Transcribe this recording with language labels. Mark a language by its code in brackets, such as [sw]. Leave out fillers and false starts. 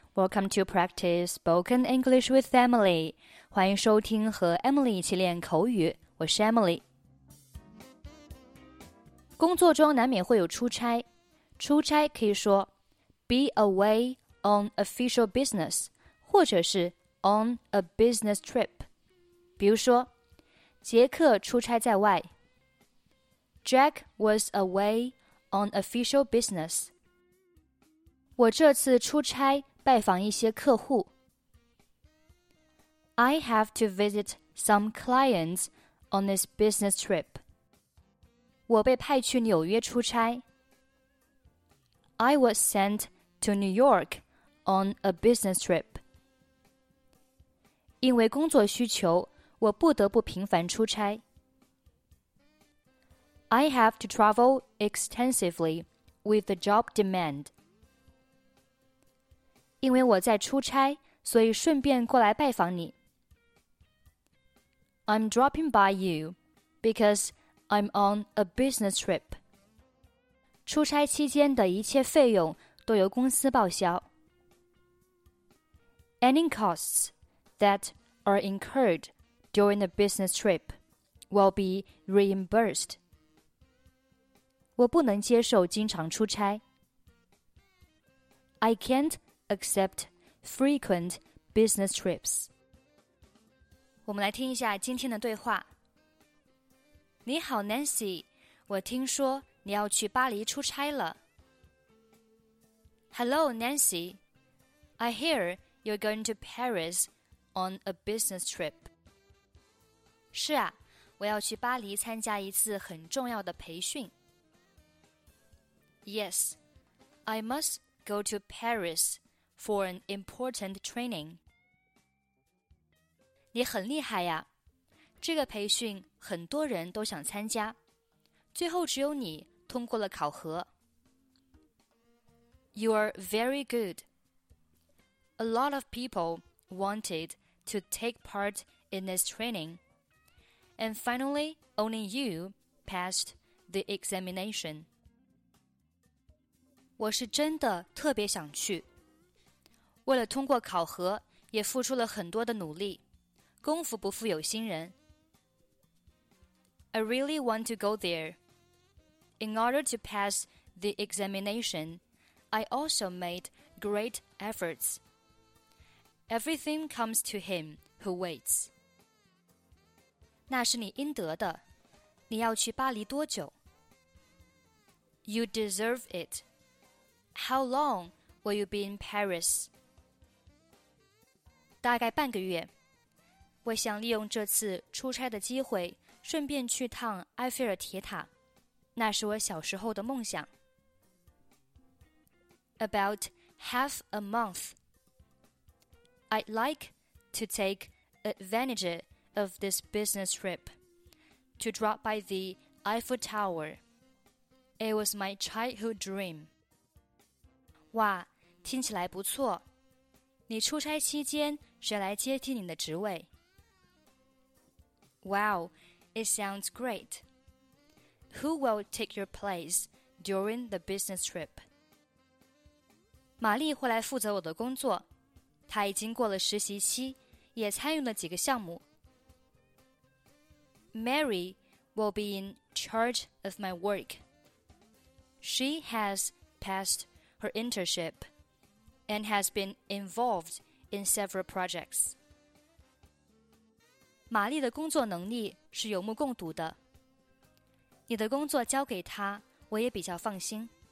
[en] Welcome to practice spoken English with Emily. [zh] 欢迎收听和 Emily 一起练口语。我是 Emily。工作中难免会有出差。出差可以说 [en] be away on official business, [zh] 或者是 [en] on a business trip。 [zh] 比如说，杰克出差在外。 [en] Jack was away on official business. [zh] 我这次出差拜访一些客户。 [en] I have to visit some clients on this business trip. [zh] 我被派去纽约出差。 [en] I was sent to New York on a business trip. [zh] 因为工作需求，我不得不频繁出差。 [en] I have to travel extensively with the job demand. [zh] 因为我在出差，所以顺便过来拜访你。 [en] I'm dropping by you because I'm on a business trip. [zh] 出差期间的一切费用都由公司报销。 [en] Any costs that are incurred during the business trip will be reimbursed. [zh] 我不能接受经常出差。 [en] I can't. Accept frequent business trips. [zh] 我们来听一下今天的对话。你好 Nancy, 我听说你要去巴黎出差了。 [en] Hello Nancy, I hear you're going to Paris on a business trip. [zh] 是啊，我要去巴黎参加一次很重要的培训。 [en] Yes, I must go to Paris. For an important training. [zh] 你很厉害呀，这个培训很多人都想参加，最后只有你通过了考核。 [en] You are very good. A lot of people wanted to take part in this training. And finally, only you passed the examination. [zh] 我是真的特别想去。为了通过考核，也付出了很多的努力。功夫不负有心人。 [en] I really want to go there. In order to pass the examination, I also made great efforts. Everything comes to him who waits. [zh] 那是你应得的。你要去巴黎多久？ [en] You deserve it. How long will you be in Paris? [zh] 大概半个月，我想利用这次出差的机会顺便去趟埃菲尔铁塔，那是我小时候的梦想。 [en] About half a month. I'd like to take advantage of this business trip to drop by the Eiffel Tower. It was my childhood dream. [zh] 哇，听起来不错。你出差期间谁来接替你的职位？ [en] Wow, it sounds great. Who will take your place during the business trip? [zh] 玛丽会来负责我的工作，她已经过了实习期，也参与了几个项目。 [en] Mary will be in charge of my work. She has passed her internship. And has been involved in several projects. [zh] 玛丽的工作能力是有目共睹的。你的工作交给她，我也比较放心。